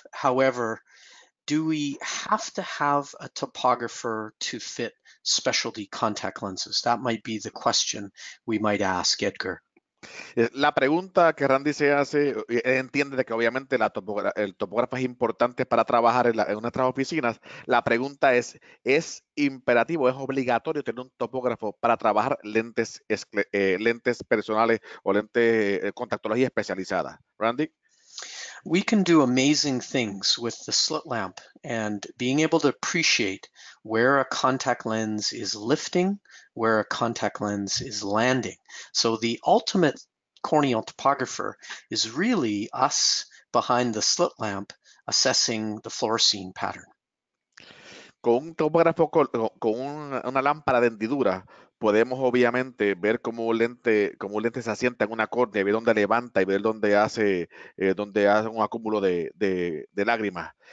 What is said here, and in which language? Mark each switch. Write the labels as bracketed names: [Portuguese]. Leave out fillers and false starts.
[English] However, do we have to have a topographer to fit specialty contact lenses? That might be the question we might ask, Edgar. [Spanish] La pregunta que Randy se hace entiende de que obviamente la el topógrafo es importante para trabajar en nuestras oficinas. La pregunta es imperativo, es obligatorio tener un topógrafo para trabajar lentes personales o lentes contactología especializada. Randy. [English] We can do amazing things with the slit lamp and being able to appreciate where a contact lens is lifting, where a contact lens is landing. So the ultimate corneal topographer is really us behind the slit lamp assessing the fluorescein pattern. [Spanish] Con un topógrafo con una lámpara de hendidura podemos obviamente ver cómo un lente se asienta en una córnea, ver dónde levanta y ver dónde hace un acúmulo de lágrimas.